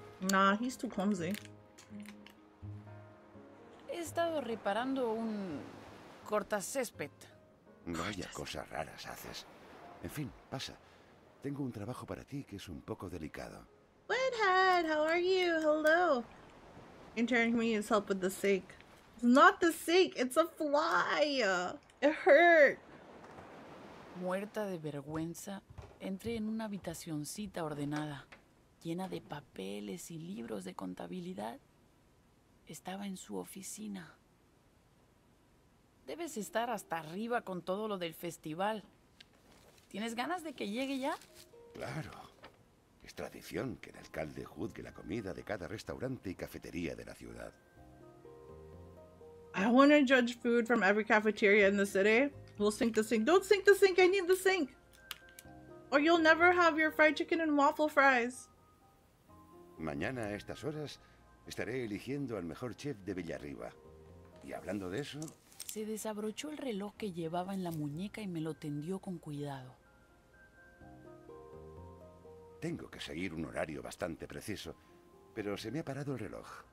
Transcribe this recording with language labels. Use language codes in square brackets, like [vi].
[en] Nah, he's too clumsy. [es] He estado reparando un cortacésped. Vaya cosas raras haces. En fin, pasa. Tengo un trabajo para ti que es un poco delicado. [en] Wethead, how are you? Hello. Intern, can we use help with the sink? It's not the sink, it's a fly. It hurt. [es] Muerta de vergüenza, entré en una habitacioncita ordenada, llena de papeles y libros de contabilidad. Estaba en su oficina. Debes estar hasta arriba con todo lo del festival. ¿Tienes ganas de que llegue ya? Claro. Es tradición que el alcalde juzgue la comida de cada restaurante y cafetería de la ciudad. [en] I want to judge food from every cafeteria in the city. We'll sink the sink. Don't sink the sink. I need the sink. Or you'll never have your fried chicken and waffle fries. [es] Mañana a estas horas estaré eligiendo al mejor chef de Villarriba. Y hablando de eso... Se desabrochó el reloj que llevaba en la muñeca y me lo tendió con cuidado. Tengo que seguir un horario bastante preciso, pero se me ha parado el reloj.